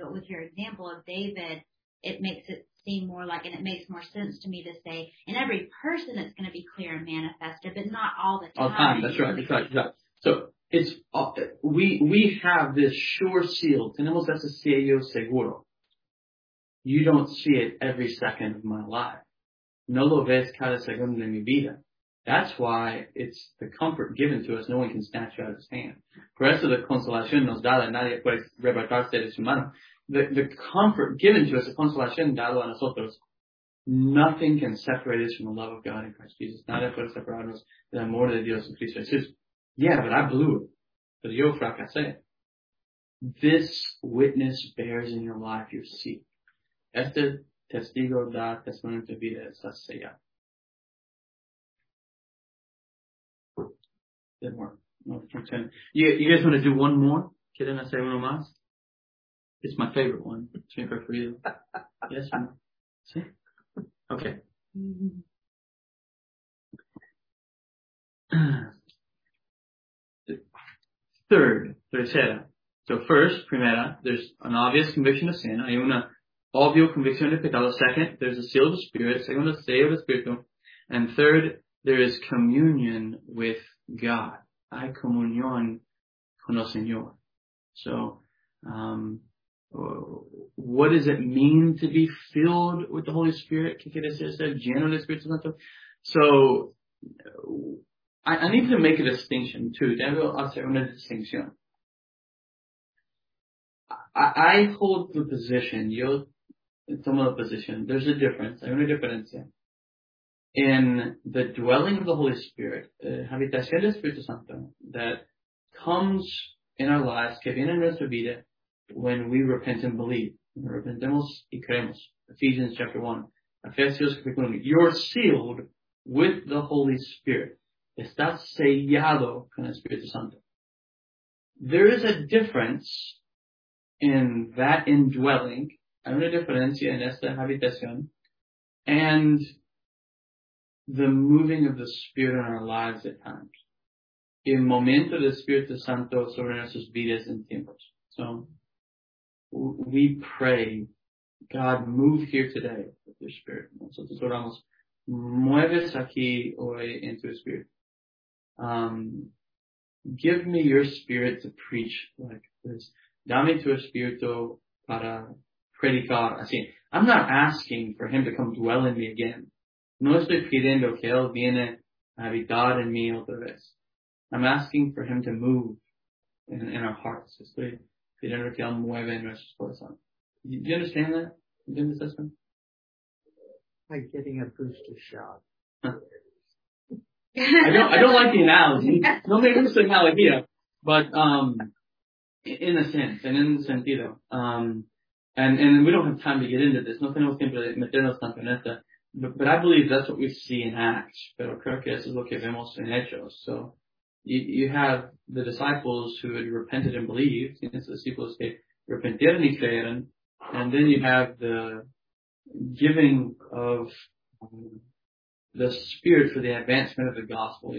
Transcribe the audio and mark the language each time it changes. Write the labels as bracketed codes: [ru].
[en] But with your example of David, it makes it seem more like, and it makes more sense to me to say, in every person it's going to be clear and manifested, but not all the time. All the time, that's right. So it's we have this sure seal. [es] Tenemos ese sello seguro. [en] You don't see it every second of my life. [es] No lo ves cada segundo de mi vida. [en] That's why it's the comfort given to us. No one can snatch you out of his hand. [es] Por eso la consolación nos da la nadie puede arrebatarte de su mano. [en] The comfort given to us, the [es] consolación dado a nosotros, [en] nothing can separate us from the love of God in Christ Jesus. [es] Nadie puede separarnos del amor de Dios en Cristo Jesús. [en] Yeah, but I blew it. But [es] yo fracasé. [en] This witness bears in your life your seat. [es] Este testigo da testimonio de vida, está sellado. [en] Didn't work. No, you guys want to do one more? [es] ¿Quieren hacer uno más? [en] It's my favorite one. It's my favorite for you. Yes, ma'am. [es] Sí? [en] Okay. Third, [es] tercera. [en] So first, [es] primera, [en] there's an obvious conviction of sin. [es] Hay una obvio convicción de pecado. [en] Second, there's a seal of the Spirit. [es] Segundo, sello del Espíritu. [en] And third, there is communion with God. [es] Hay comunión con el Señor. [en] So, what does it mean to be filled with the Holy Spirit? [es] ¿Qué quiere decir ser lleno del Espíritu Santo? [en] So, I need to make a distinction too. [es] Debo hacer una distinción. [en] I hold the position, [es] yo tomo la position. [en] There's a difference, [es] hay una diferencia. [en] In the dwelling of the Holy Spirit, [es] habitación del Espíritu Santo, [en] that comes in our lives, [es] que viene en nuestra vida, [en] when we repent and believe. [es] Repentemos y creemos. [en] Ephesians chapter 1. Ephesians chapter 1. You're sealed with the Holy Spirit. [es] Está sellado con el Espíritu Santo. [en] There is a difference in that indwelling, [es] hay una diferencia en esta habitación, [en] and the moving of the Spirit in our lives at times. [es] El momento del Espíritu Santo sobre nuestras vidas en tiempos. [en] So, we pray, God, move here today with your Spirit. [es] Nosotros oramos, mueves aquí hoy en tu Espíritu. [en] Give me your Spirit to preach like this. [es] Dame tu espíritu para predicar. Así, [en] I'm not asking for him to come dwell in me again. [es] No estoy pidiendo que él viene a habitar en mí otra vez. [en] I'm asking for him to move in our hearts. [es] Estoy pidiendo que él mueva en nuestros corazones. [en] Do you understand that? Do you understand this one? Like getting a booster shot. I don't like the analogy. Nobody looks like Malaquia, but in a sense, and in [es] sentido. [en] And we don't have time to get into this. [es] No tenemos tiempo de meternos tanto en esta. [en] But I believe that's what we see in Acts. [es] Pero creo que eso es lo que vemos en Hechos. [en] So you have the disciples who had repented and believed. [es] Tienes discípulos que repentieron y creyeron. [en] And then you have the giving of the Spirit for the advancement of the gospel.